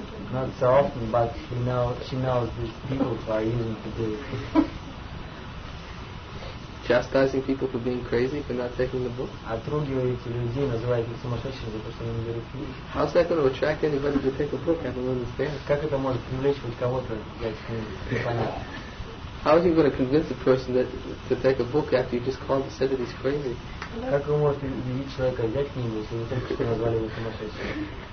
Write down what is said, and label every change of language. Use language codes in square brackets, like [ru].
[en] Not so often, but she knows these people who are using to do it. Chastising people for being crazy for not taking the book? [ru] А другие эти люди называют их сумасшедшими за то, что они не берут книги. [en] How is that going to attract anybody to take a book? I don't understand. [ru] Как это может привлечь хоть кого-то взять книги? Непонятно. [en] How is he going to convince a person that to take a book after you just called and said that he's crazy? [ru] Как вы можете убедить человека взять книгу, если вы только что назвали его сумасшедшим?